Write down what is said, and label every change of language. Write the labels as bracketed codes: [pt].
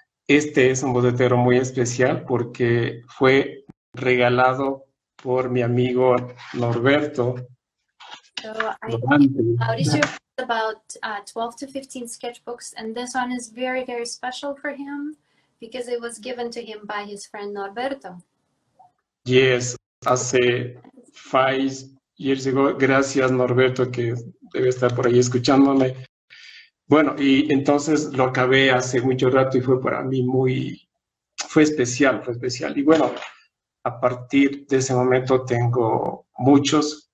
[es] Este es un boceto muy especial porque fue regalado por mi amigo Norberto Dorantes. [en] Mauricio has about 12 to 15 sketchbooks, and this one is very, very special for him because it was given to him by his friend Norberto. Yes, [es] hace [en] 5 years ago. [es] Gracias, Norberto, que debe estar por ahí escuchándome. Bueno, y entonces lo acabé hace mucho rato y fue para mí muy, fue especial. Y bueno, a partir de ese momento tengo muchos.